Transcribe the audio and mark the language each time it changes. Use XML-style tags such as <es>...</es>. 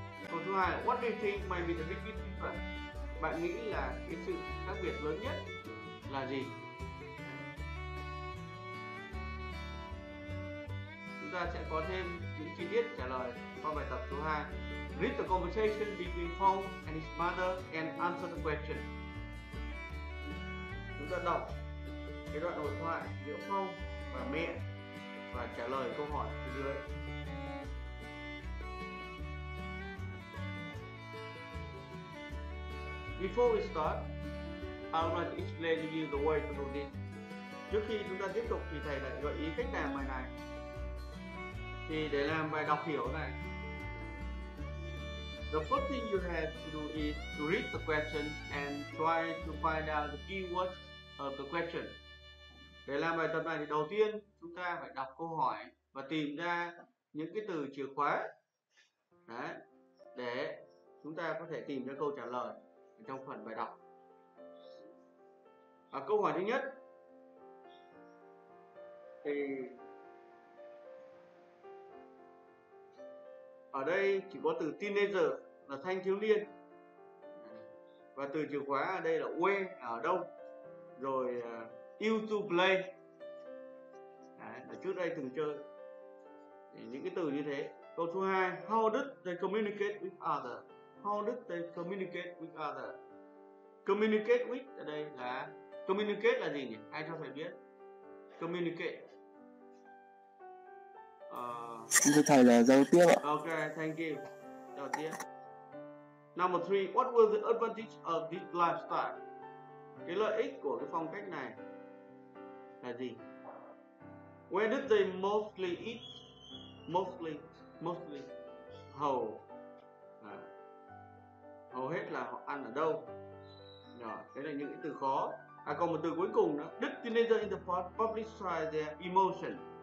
<vi>Câu thứ hai,</vi> <en>what do you think might be the biggest difference?</en> <vi>Bạn nghĩ là cái sự khác biệt lớn nhất là gì? Chúng ta sẽ có thêm những chi tiết trả lời qua bài tập số 2.</vi> <en>Read the conversation between Kong and his mother and answer the question.</en> <vi>Chúng ta đọc cái đoạn đối thoại giữa Kong và mẹ và trả lời câu hỏi phía dưới.</vi> <en>Before we start, I would like to explain to you the way to do this.</en> <vi>Trước khi chúng ta tiếp tục thì thầy lại gợi ý cách làm bài này. Thì để làm bài đọc hiểu này,</vi> <en>the first thing you have to do is to read the questions and try to find out the keywords of the question.</en> <vi>Để làm bài tập này thì đầu tiên chúng ta phải đọc câu hỏi và tìm ra những cái từ chìa khóa. Đấy, để chúng ta có thể tìm ra câu trả lời trong phần bài đọc. À, câu hỏi thứ nhất thì ở đây chỉ có từ teenager là thanh thiếu niên, và từ chìa khóa ở đây là where, ở đâu, rồi you to play. Đấy, ở trước đây từng chơi thì những cái từ như thế. Câu thứ hai,</vi> <en>how did they communicate with other? How did they communicate with other?</en> <vi>Communicate with ở đây là communicate là gì nhỉ? Ai cho thầy biết? Communicate. Thưa thầy là giao tiếp ạ.</vi> <en>Ok, thank you. Giao tiếp. Number 3, what were the advantages of this lifestyle?</en> <vi>Cái lợi ích của cái phong cách này là gì?</vi> <en>Where did they mostly eat? Mostly.</en> <vi>Hầu. Hầu hết là họ ăn ở đâu? Rồi, đấy là những cái từ khó. À, còn một từ cuối cùng đó.</vi> <en>Did teenagers in the past publicize their emotion?</en>